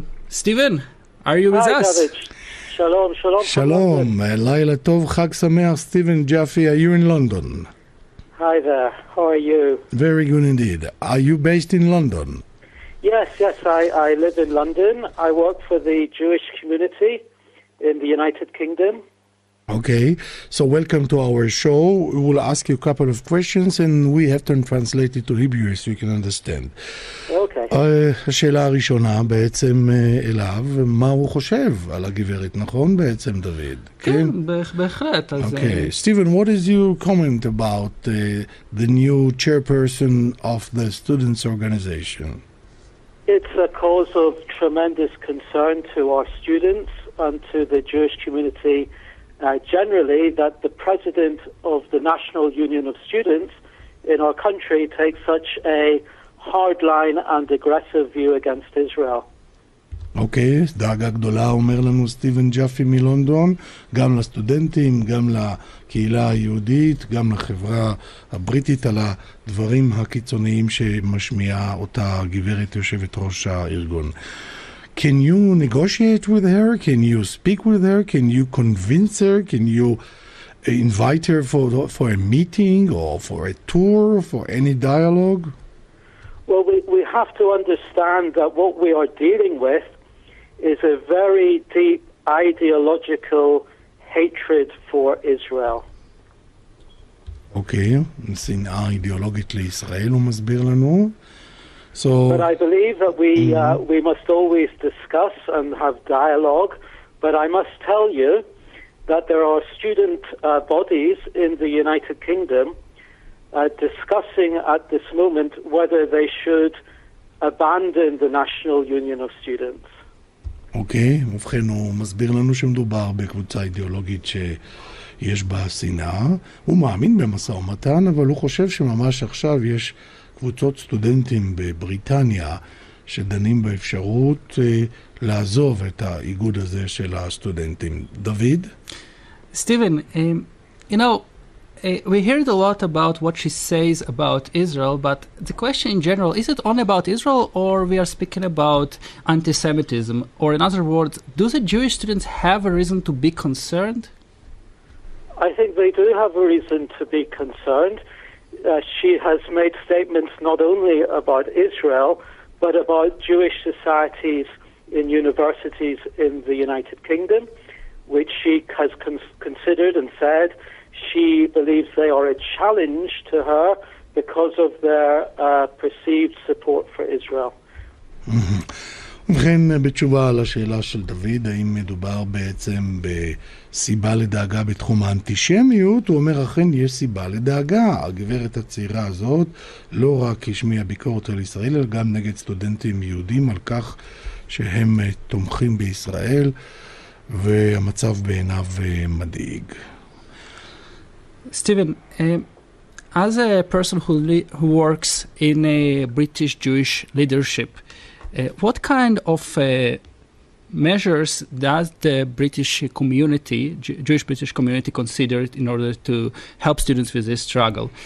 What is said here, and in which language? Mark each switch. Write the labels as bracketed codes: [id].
[en] וסטיבן, are you with us? [he] שלום, שלום. שלום, לילה טוב, חג שמח, סטיבן ג'אפי, [en] are you in London? Hi there, how are you? Very good indeed. Are you based in London? Yes, yes, I live in London. I work for the Jewish community in the United Kingdom. Okay, so welcome to our show. We will ask you a couple of questions and we have to translate it to Hebrew so you can understand. Okay. [he] השאלה הראשונה בעצם אליו, מה הוא חושב על הגברת, נכון בעצם דוד? כן, כן? בהחלט. אז [en] okay, Stephen, what is your comment about the new chairperson of the students' organization? It's a cause of tremendous concern to our students and to the Jewish community generally that the president of the National Union of Students in our country takes such a hard line and aggressive view against Israel. [he] Okay, דאגה גדולה אומר לנו סטיבן ג'אפי מלונדון, גם לסטודנטים, גם לקהילה היהודית, גם לחברה הבריטית על הדברים הקיצוניים שמשמיעה אותה גברת יושבת ראש הארגון. [en] Can you negotiate with her? Can you speak with her? Can you convince her? Can you invite her for a meeting or for a tour, for any dialogue? Well, we have to understand that what we are dealing with is a very deep ideological hatred for Israel. [he] Okay, שנאה אידיאולוגית לישראל, הוא מסביר לנו. [en] So, but I believe that we must always discuss and have dialogue, but I must tell you that there are student bodies in the United Kingdom discussing at this moment whether they should abandon the National Union of Students. [he] Okay, ובכן הוא מסביר לנו שמדובר בקבוצה אידיאולוגית שיש בה שנאה. הוא מאמין במסע ומתן, אבל הוא חושב שממש עכשיו יש קבוצות סטודנטים בבריטניה שדנים באפשרות לעזוב את האיגוד הזה של הסטודנטים. דוד? [en] סטיבן, you know, we heard a lot about what she says about Israel, but the question in general, is it only about Israel or we are speaking about anti-Semitism? Or in other words, do the Jewish students have a reason to be concerned? I think they do have a reason to be concerned. she has made statements not only about Israel but about Jewish societies in universities in the United Kingdom, which she has considered and said she believes they are a challenge to her because of their perceived support for Israel. [he] ובכן, בתשובה על השאלה של דוד, האם מדובר בעצם בסיבה לדאגה בתחום האנטישמיות, הוא אומר, אכן, יש סיבה לדאגה. הגברת הצעירה הזאת לא רק השמיעה ביקורת על ישראל, אלא גם נגד סטודנטים יהודים על כך שהם תומכים בישראל, והמצב בעיניו מדאיג. [en] סטיבן, as a person who works in a British Jewish leadership, what kind of measures does the British community, Jewish British community, consider in order to help students with this struggle?